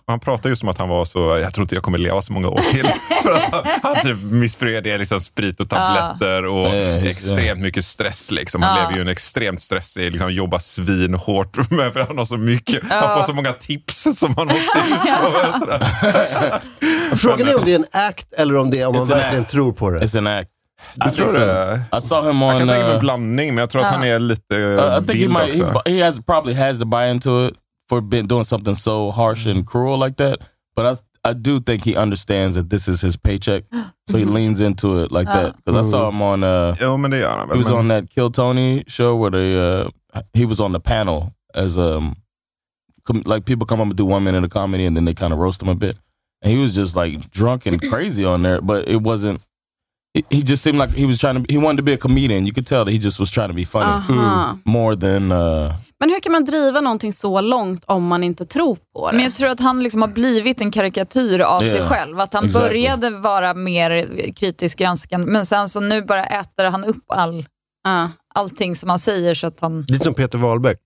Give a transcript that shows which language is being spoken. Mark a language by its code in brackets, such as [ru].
[sv] Han pratade ju som att han var så... Jag tror inte jag kommer leva så många år till. För att han typ missfred är liksom sprit och tabletter och extremt mycket stress. Liksom. Han lever ju en extremt stressig, liksom jobba svinhårt med för han har så mycket. Han får så många tips som han måste ta. Frågan är om det är en act eller om det är om man verkligen tror på det. [en] It's an act. I saw him on. I can think of a blandning, but I think he might. He has probably has to buy into it for being doing something so harsh and cruel like that. But I do think he understands that this is his paycheck, so he leans into it like that. Because I saw him on. He was on that Kill Tony show where they he was on the panel as like people come up and do 1 minute of comedy and then they kind of roast him a bit, and he was just like drunk and crazy on there, but it wasn't. He just seemed like he was trying to. He wanted to be a comedian. You could tell that he just was trying to be funny more than. [sv] Men hur kan man driva någonting så långt om man inte tror på det? Men jag tror att han liksom har blivit en karikatyr av sig själv. Att han började vara mer kritisk granskande, men sen så nu bara äter han upp allting som han säger, så att han. Lite som Peter Wahlberg.